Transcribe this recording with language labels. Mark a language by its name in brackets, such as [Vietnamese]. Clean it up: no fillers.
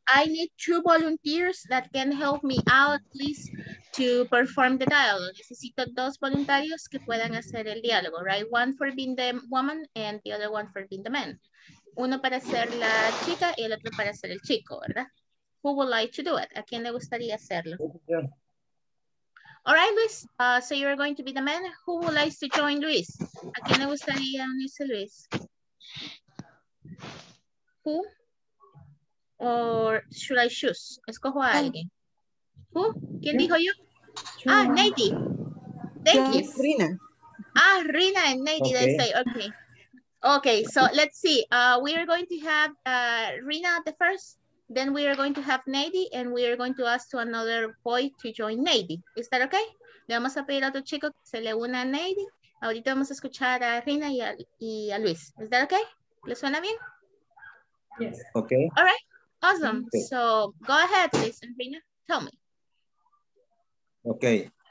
[English] I need two volunteers that can help me out, please, to perform the dialogue. [Spanish] Necesito dos voluntarios que puedan hacer el diálogo, right? [English] One for being the woman and the other one for being the man. [Spanish] Uno para ser la chica y el otro para ser el chico, ¿verdad? [English] Who would like to do it? [Spanish] ¿A quién le gustaría hacerlo? [English] Yeah. All right, Luis, so you're going to be the man. Who would like to join Luis? [Spanish] ¿A quién le gustaría unirse Luis? [English] Who? Or should I choose? [Spanish] Escojo a alguien. [English] Who? [Spanish] ¿Quién dijo [English] you? Ah, Nady. Thank you. Rina. Ah, Rina and Nady, okay. They say, okay. Okay, so let's see. We are going to have Rina at the first. Then we are going to have Nady, and we are going to ask to another boy to join Nady. Is that okay? [Spanish] Le vamos a pedir a otro chico que se le una a Nady. Ahorita vamos a escuchar a Rina y a Luis. [English] Is that okay? [Spanish] ¿Le suena bien? [English] Yes. Okay. All right. Awesome. Okay. So go ahead, Luis and Rina. Tell me. Okay.